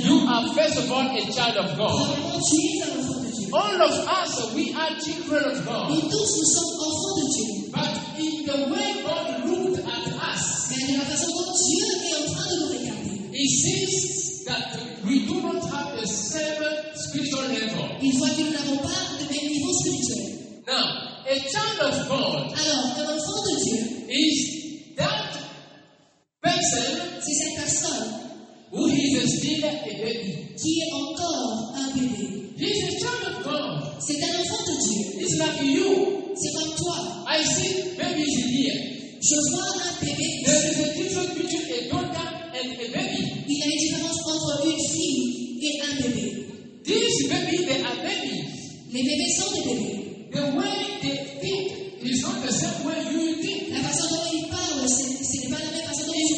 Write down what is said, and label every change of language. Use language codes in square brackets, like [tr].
[en] you are first of all a child of God. All of us, we are children of God. [fr] Nous tous, nous sommes enfants de Dieu. [en] But in the way God looked at us, [fr] mais de la façon dont Dieu est en train de nous regarder, [en] he sees that we do not have the same spiritual level. [fr] Il voit que nous n'avons pas le même niveau spirituel. [en] Now, a child of God, [fr] alors, un enfant de Dieu, [en] is that person, [fr] c'est cette personne, [en] who is still a baby, [fr] qui est encore un bébé. [en] He's a child of God. [fr] C'est un enfant de Dieu. [en] It's like you. [fr] C'est comme toi. [en] I see babies in here. [fr] Je vois un bébé. [en] There is a difference between a daughter and a baby. [fr] Il y a une différence entre une fille et un bébé. [en] These babies, they are babies. [fr] Les bébés sont des bébés. [en] The way they think is not the same way you think. [fr] La façon dont ils parlent, ce n'est pas la même façon dont ils